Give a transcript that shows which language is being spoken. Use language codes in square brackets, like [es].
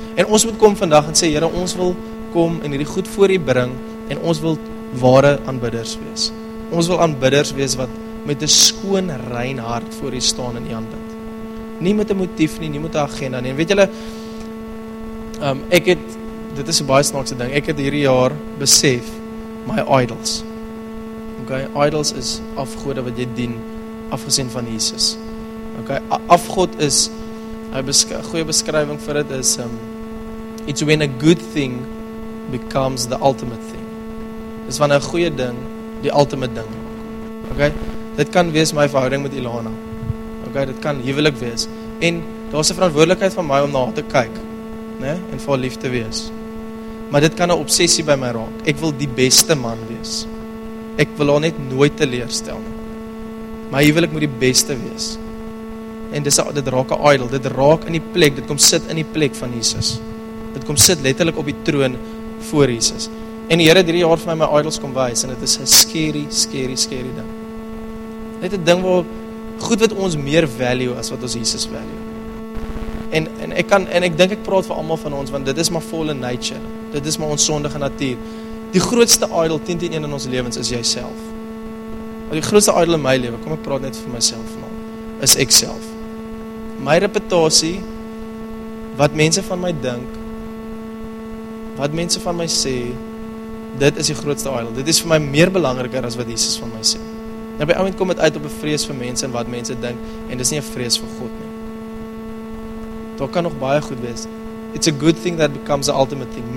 [af] En ons moet kom vandag en sê, Here, ons wil kom en hierdie goed voor U bring en ons wil ware aanbidders wees. Ons wil aanbidders wees wat met 'n skoon, rein hart voor die staan in die hand bid. Nie met 'n motief nie, nie met 'n agenda nie. En weet julle, ek het, dit is 'n baie snaakse ding, ek het hierdie jaar besef, my idols. Okay, idols is afgode wat jy dien, afgesien van Jesus. Okay, afgod is, een goeie beskrywing vir dit is, [en] it's when a good thing becomes the ultimate thing. [af] Dis wanneer 'n goeie ding, die ultimate ding. Okay, dit kan wees my verhouding met Ilana. Okay, dit kan huwelik wees. En daar is 'n verantwoordelikheid van my om na haar te kyk. Né? En vir haar lief te wees. Maar dit kan 'n obsessie by my raak. Ek wil die beste man wees. Ek wil haar net nooit teleerstel. My huwelik moet die beste wees. En dit raak 'n idol. Dit raak in die plek. Dit kom sit in die plek van Jesus. Dit kom sit letterlik op die troon voor Jesus. En die Here het hierdie jaar vir my my idols kom wys. En dit is 'n scary, scary, scary ding. Dit is 'n ding waar goed wat ons meer value as wat ons Jesus value. En ek kan en ek dink ek praat vir almal van ons want dit is maar fallen nature. Dit is maar ons sondige natuur. Die grootste idol 10-1 in ons lewens is jouself. Maar die grootste idol in my lewe, kom ek praat net vir myself vanaand, is ek self. my reputasie, wat mense van my dink, wat mense van my sê, dit is die grootste idol. Dit is vir my meer belangriker as wat Jesus van my sê. En by ouwend kom het uit op 'n vrees vir mense en wat mense dink, en dit is nie 'n vrees vir God nie. Dit kan nog baie goed wees. [en] It's a good thing that becomes the ultimate thing.